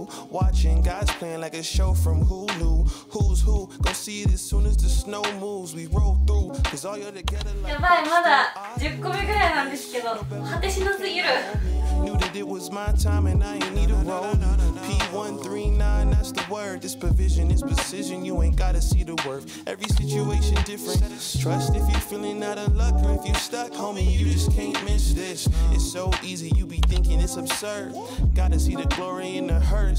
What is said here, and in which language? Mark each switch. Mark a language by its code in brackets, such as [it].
[en] Watching God's plan like a show from Hulu. Who's who? Go see it as soon as the snow moves. We roll through. Cause all you're together like. [ja] やばい、まだ10個目ぐらいなんですけど、果てしなすぎる。 [en] Knew that it was my time and I ain't need a roll. P139, that's the word. This provision is precision. You ain't gotta see the worth. Every situation different. Trust if you're feeling out of luck or if you're stuck, homie, you just can't miss this. It's so easy, you be thinking it's absurd. Gotta see the glory in the hurt.